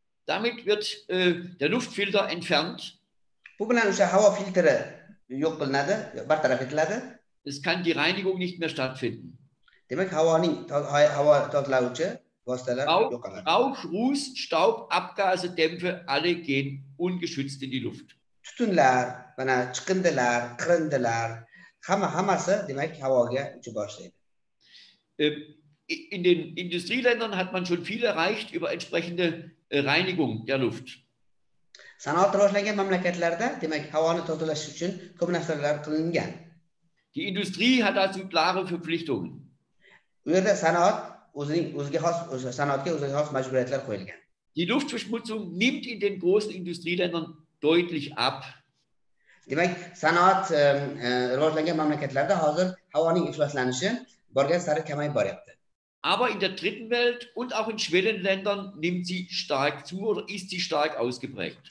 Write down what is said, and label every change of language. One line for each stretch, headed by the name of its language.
German: Damit wird der Luftfilter entfernt.
Uzbek: Bu bilan o'sha havo filtri yo'q qilinadi, bartaraf etiladi.
German: Es kann die Reinigung nicht mehr stattfinden.
Uzbek: Demak, havo tozalovchi vositalar yo'qoladi.
German: Auch Ruß, Staub, Abgase, Dämpfe, alle gehen ungeschützt in die Luft.
Uzbek: Tutunlar, mana chiqindilar, qirindilar, hammasi demak havoga uchib boshlaydi.
German: In den Industrieländern hat man schon viel erreicht über entsprechende Reinigung der Luft.
Uzbek: Sanoat rivojlangan mamlakatlarda, demak, havoni tozalash uchun ko'p narsalar qilingan.
German: Die Industrie hat dazu klare Verpflichtungen.
Uzbek: U yerda sanoat o'ziga xos majburiyatlar qo'yilgan.
German: Die Luftverschmutzung nimmt in den großen Industrieländern deutlich ab.
Uzbek: Demak, sanoat rivojlangan mamlakatlarda hozir havoning ifloslanishi borgan sari kamayib boryapti.
German: Aber in der dritten Welt und auch in Schwellenländern nimmt sie stark zu oder ist sie stark ausgeprägt.